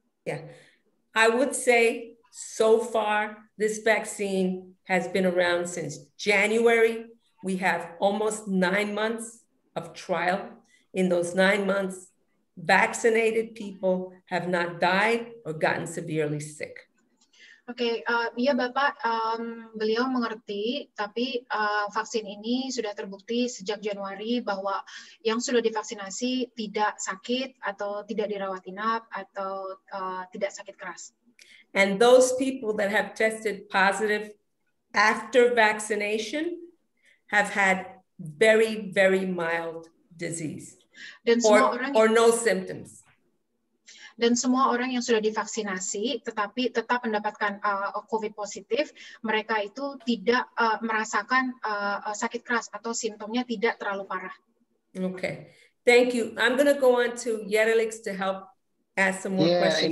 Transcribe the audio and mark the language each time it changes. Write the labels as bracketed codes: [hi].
[en] Yeah, I would say so far this vaccine has been around since January. We have almost 9 months of trial. In those 9 months, vaccinated people have not died or gotten severely sick. [id] Oke, okay, ya Bapak, beliau mengerti, tapi vaksin ini sudah terbukti sejak Januari bahwa yang sudah divaksinasi tidak sakit atau tidak dirawat inap atau tidak sakit keras. [en] And those people that have tested positive after vaccination have had very, very mild disease. [id] Dan semua orang [en] or no symptoms. [id] Dan semua orang yang sudah divaksinasi tetapi tetap mendapatkan COVID positif, mereka itu tidak merasakan sakit keras atau simptomnya tidak terlalu parah. [en] Okay, thank you. I'm going to go on to Yerelix to help ask some more questions.